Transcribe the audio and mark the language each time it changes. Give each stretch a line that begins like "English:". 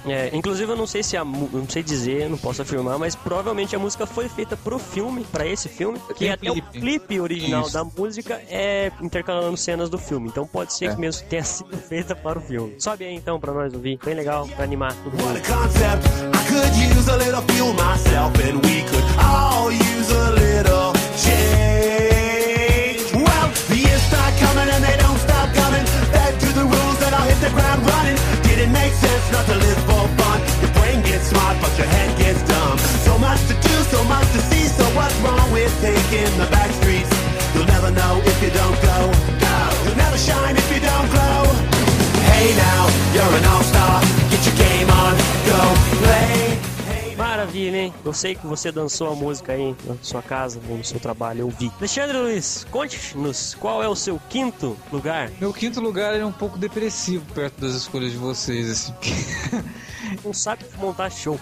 Portuguese: É, inclusive eu não sei se a... Não sei dizer, não posso afirmar, mas provavelmente a música foi feita pro filme, pra esse filme, que é até o clipe original da música é intercalando cenas do filme. Então pode ser que mesmo tenha sido feita para o filme. Sobe aí então pra nós ouvir. Bem legal, pra animar tudo.
English: What a concept. I could use a little fuel myself and we could all use a little change. Well, the years start coming and they don't stop coming. Back to the rules that I'll hit the ground running. Didn't make sense not to live for fun. Your brain gets smart but your head gets dumb. So much to do, so much to see. So what's wrong with taking the back streets? You'll never know if you don't go. You'll never shine if you don't glow. Hey now, you're an all-star. Get your game on, go play.
Portuguese: Maravilha, hein? Eu sei que você dançou a música aí na sua casa, no seu trabalho, eu vi. Alexandre Luiz, conte-nos qual é o seu quinto lugar. Meu quinto lugar é um pouco depressivo perto das escolhas de vocês, assim. Não sabe montar show.